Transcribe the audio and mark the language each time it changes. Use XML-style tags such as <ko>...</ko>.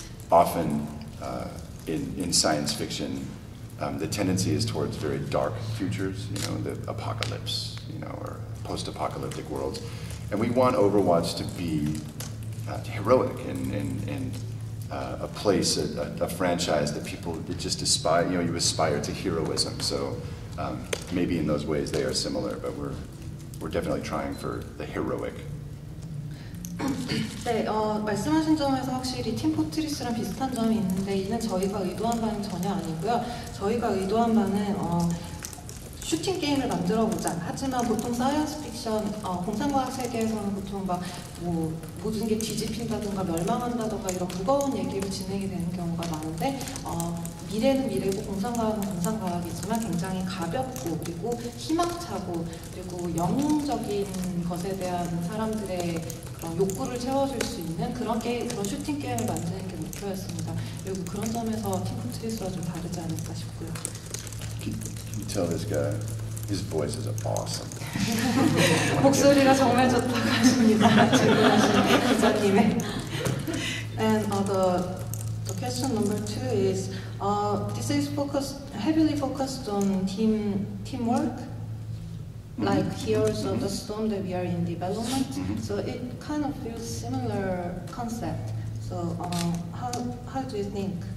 <en>Often in science fiction, the tendency is towards very dark futures, you know, the apocalypse, you know, or post-apocalyptic worlds, and we want Overwatch to be heroic and a place, a franchise that people just aspire. You know, you aspire to heroism. So maybe in those ways they are similar, but we're definitely trying for the heroic.</en> <ko>네, 말씀하신 점에서 확실히 팀포트리스랑 비슷한 점이 있는데 이는 저희가 의도한 바는 전혀 아니고요. 저희가 의도한 바는 슈팅 게임을 만들어보자. 하지만 보통 사이언스 픽션, 공상과학 세계에서는 보통 막 뭐 모든 게 뒤집힌다든가 멸망한다든가 이런 무거운 얘기로 진행이 되는 경우가 많은데 미래는 미래고 공상과학은 공상과학이지만 굉장히 가볍고 그리고 희망차고 그리고 영웅적인 것에 대한 사람들의 욕구를 채워줄 수 있는 그런 게임, 그런 슈팅 게임을 만드는 게 목표였습니다. 그리고 그런 점에서 팀포트리스와 좀 다르지 않을까 싶고요.</ko> <en>Can you tell this guy? His voice is awesome.</en> <ko>목소리가 정말 좋다고 하십니다. 질문하신 기자님의.</ko> <en>And the question number two is, this is heavily focused on teamwork, like Heroes of the Storm that we are in development. So it kind of feels similar concept. So how do you think?</en>